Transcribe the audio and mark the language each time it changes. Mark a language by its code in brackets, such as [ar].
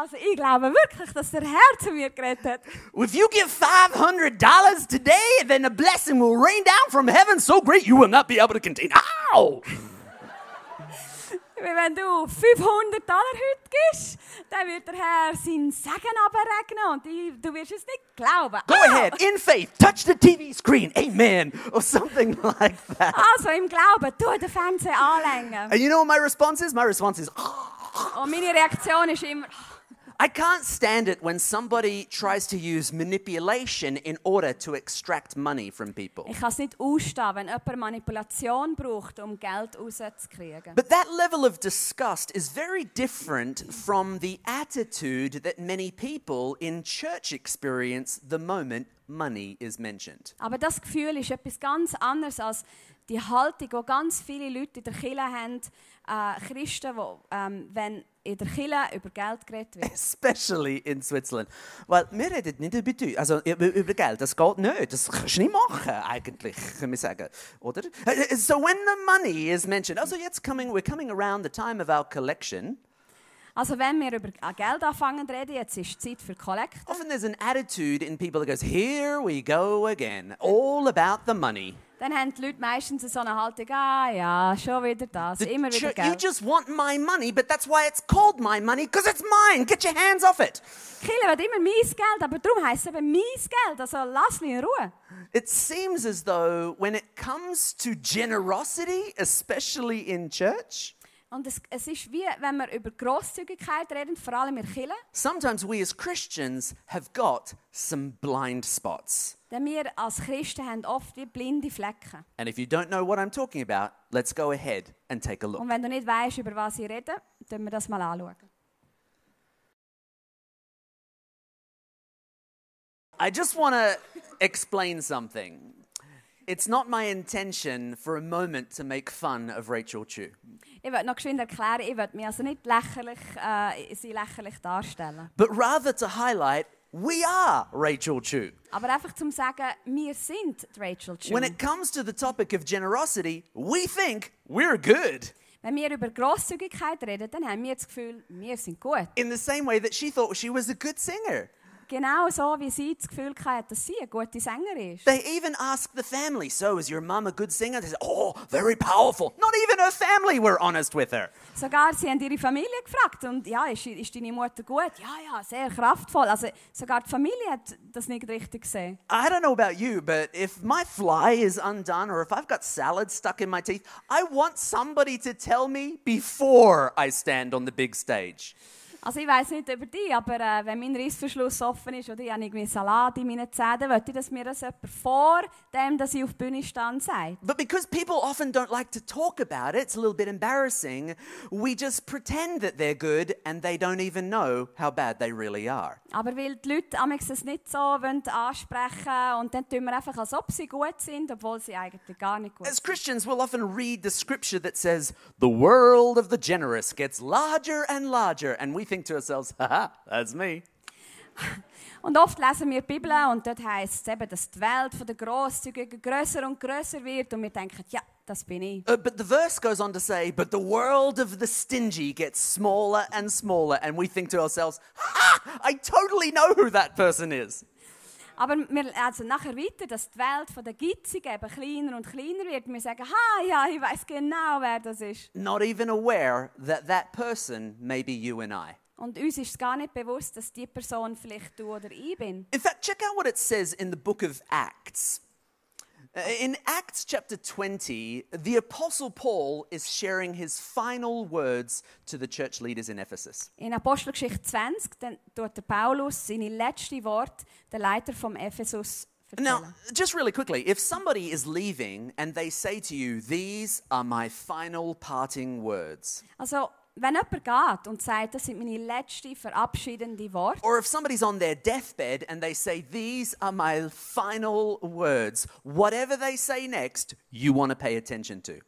[de] Ich glaube wirklich, dass der Herr zu mir geredet hat. [en] If you give $500 today, then a blessing will rain down from heaven so great you will not be able to contain. Ow! [de] Wenn du $500 heute gibst, dann wird der Herr seinen Segen abregnen und du wirst es nicht glauben. [en] Go ahead, in faith, touch the TV screen, amen, or something like that. [de] Also im Glauben, tu den Fernseher anlängen. [en] And you know what my response is? My response is, [de] und meine Reaktion ist immer, [en] I can't stand it when somebody tries to use manipulation in order to extract money from people. [de] Ich kann es nicht ausstehen, wenn jemand Manipulation braucht, Geld rauszukriegen. [en] But that level of disgust is very different from the attitude that many people in church experience the moment money is mentioned. [de] Aber das Gefühl ist etwas ganz anderes als die Haltung, die ganz viele Leute in der Kirche haben, Christen, die, wenn in der Kirche über Geld geredet wird. [en] Especially in Switzerland. [de] Weil wir reden nicht über dich. Also über Geld, das geht nicht. Das kannst du nicht machen, eigentlich, können wir sagen. [en] Oder? So when the money is mentioned. [de] Also jetzt [en] we're coming around the time of our collection. [de] Also wenn wir über Geld anfangen zu reden, jetzt ist Zeit für Kollekte. [en] Often there's an attitude in people that goes, here we go again. All about the money. [de] Dann haben die Leute meistens so eine Haltung, ah ja, schon wieder das, immer wieder Geld. [en] You just want my money, but that's why it's called my money, because it's mine, get your hands off it. [de] Kirche will immer mein Geld, aber darum heisst es eben mein Geld, also lass mich in Ruhe. [en] It seems as though when it comes to generosity, especially in church, [de] und es ist wie, wenn wir über Grosszügigkeit reden, vor allem in Kirche. [en] Sometimes we as Christians have got some blind spots. [de] Denn wir als Christen haben oft wie blinde Flecken. [en] And if you don't know what I'm talking about, let's go ahead and take a look. [de] Und wenn du nicht weißt, über was ich rede, dann wir das mal anschauen. [en] I just want to explain something. It's not my intention for a moment to make fun of Rachel Chu. [de] Ich will noch geschwind erklären, ich will mich also nicht lächerlich, sie lächerlich darstellen. [en] But rather to highlight, we are Rachel Chu. [de] Aber einfach zum sagen, wir sind Rachel Chu. [en] When it comes to the topic of generosity, we think we're good. [de] Wenn wir über Grosszügigkeit reden, dann haben wir das Gefühl, wir sind gut. [en] In the same way that she thought she was a good singer. [de] Genau so, wie sie das Gefühl hatte, dass sie eine gute Sängerin ist. [en] They even asked the family, so is your mom a good singer? They said, oh, very powerful. Not even her family were honest with her. [de] Sogar sie haben ihre Familie gefragt, und ja, ist deine Mutter gut? Ja, ja, sehr kraftvoll. Also sogar die Familie hat das nicht richtig gesehen. [en] I don't know about you, but if my fly is undone or if I've got salad stuck in my teeth, I want somebody to tell me before I stand on the big stage. [de] Also ich weiß nicht über dich, aber wenn mein Reissverschluss offen ist oder ich habe irgendwie Salat in meinen Zähnen, möchte ich, dass mir das jemand vor dem, dass ich auf die Bühne stand, sagt. [en] But because people often don't like to talk about it, it's a little bit embarrassing, we just pretend that they're good and they don't even know how bad they really are. [de] Aber weil die Leute manchmal nicht so ansprechen und dann tun wir einfach, als ob sie gut sind, obwohl sie eigentlich gar nicht gut sind. [en] As Christians, we'll often read the scripture that says, the world of the generous gets larger and larger, and we think to ourselves, haha, that's me. [de] Und oft lesen wir die Bibel und dort heisst es eben, dass die Welt von der Grosszügigen grösser und grösser wird und wir denken, ja, das bin ich. [en] But the verse goes on to say, but the world of the stingy gets smaller and smaller and we think to ourselves, ha, I totally know who that person is. [de] Aber wir lesen nachher weiter, dass die Welt von der Gitzigen eben kleiner und kleiner wird. Wir sagen, ha, ja, ich weiß genau, wer das ist. [en] Not even aware that that person may be you and I. [de] Und uns ist gar nicht bewusst, dass die Person vielleicht du oder ich bin. [en] In fact, check out what it says in the book of Acts. In Acts chapter 20, the Apostle Paul is sharing his final words to the church leaders in Ephesus. [de] In Apostelgeschichte 20, dann tut der Paulus seine letzte Worte der Leiter vom Ephesus erzählen. [en] Now, just really quickly, if somebody is leaving and they say to you, these are my final parting words. [de] Also, wenn jemand geht und sagt, das sind meine letzten verabschiedenden Worte. [en] Or if somebody's on their deathbed and they say, these are my final words. Whatever they say next, you want to pay attention to.